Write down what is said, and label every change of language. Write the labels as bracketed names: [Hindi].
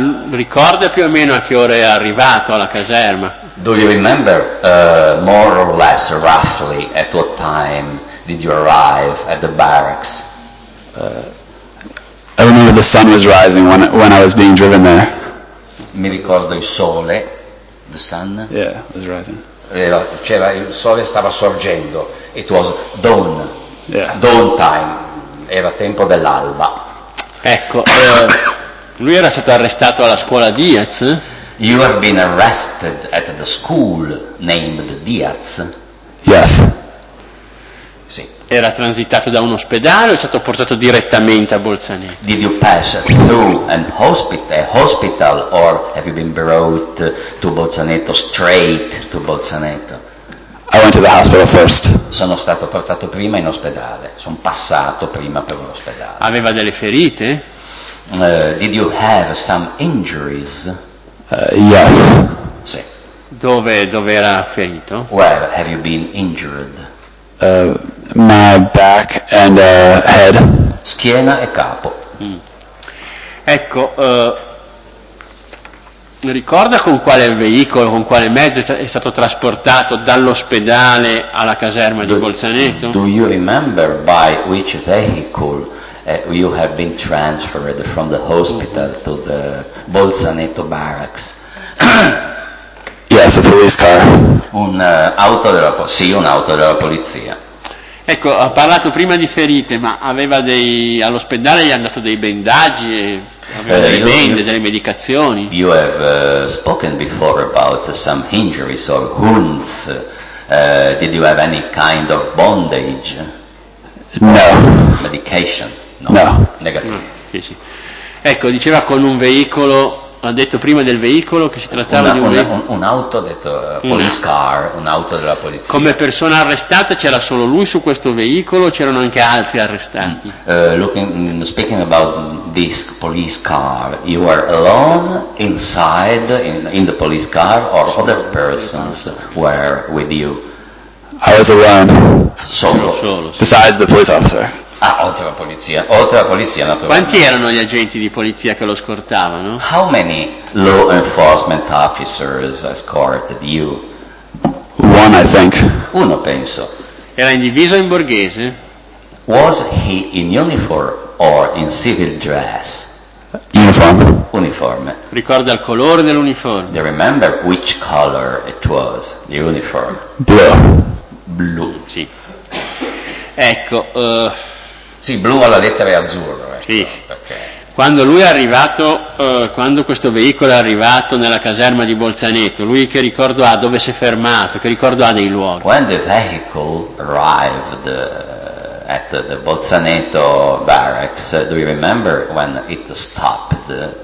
[Italian] Ricorda più o meno a che ora è arrivato alla caserma? [English] Do you remember more or less roughly at what time did you arrive at the barracks? I remember the sun was rising when I was being driven there. [Italian] Mi ricordo il sole, [English] the sun. Yeah, was rising. [Italian] C'era il sole, stava sorgendo. [English] It was dawn. Yeah. Dawn time. [Italian] Era tempo dell'alba. Ecco, lui era stato arrestato alla scuola Diaz. [English] You have been arrested at the school named Diaz. Yes. [Italian] Era transitato da un ospedale o è stato portato direttamente a Bolzaneto? [English] Did you pass through a hospital or have you been brought to Bolzaneto, straight to Bolzaneto? I went to the hospital first. [Italian] Sono stato portato prima in ospedale, sono passato prima per un ospedale. Aveva delle ferite? [English] Did you have some injuries? Yes. [Italian] Sì. Dove era ferito? [English] Where have you been injured? My back and head. [Italian] Schiena e capo. Ecco, ricorda con quale veicolo, con quale mezzo è stato trasportato dall'ospedale alla caserma di Bolzaneto? [English] Do you remember by which vehicle you have been transferred from the hospital to the Bolzaneto barracks? Yes. Yes, a police car. [Italian] Un'auto della sì, un'auto della polizia. Ecco, ha parlato prima di ferite, ma aveva dei all'ospedale gli hanno dato dei bendaggi, aveva dei bende, delle medicazioni. [English] You have spoken before about some injuries or wounds. Did you have any kind of bondage? No. Medication? No. [Italian] Negativo. Sì, sì. Ecco, diceva con un veicolo, ha detto prima del veicolo che si trattava una, di un veicolo. Un'auto, ha detto, [English] police car, [Italian] un'auto della polizia. Come persona arrestata c'era solo lui su questo veicolo o c'erano anche altri arrestati? [English] Speaking about this police car, you are alone inside in the police car or other persons were with you? I was alone. [Italian] Solo. [English] Besides the police officer. [Italian] Ah, oltre alla polizia, naturalmente. Quanti erano gli agenti di polizia che lo scortavano? [English] How many law enforcement officers escorted you? One, I think. [Italian] Uno, penso. Era in divisa in borghese? [English] Was he in uniform or in civil dress? Uniform. [Italian] Ricorda il colore dell'uniforme? [English] Do you remember which color it was, the uniform? [Italian] Blu. Sì. Ecco, Sì, blu alla lettera è azzurro. Ecco. Sì. Okay. Quando lui è arrivato, quando questo veicolo è arrivato nella caserma di Bolzaneto, lui che ricordo ha dove si è fermato, che ricordo ha dei luoghi? [English] When the vehicle arrived at the Bolzaneto barracks, do you remember when it stopped?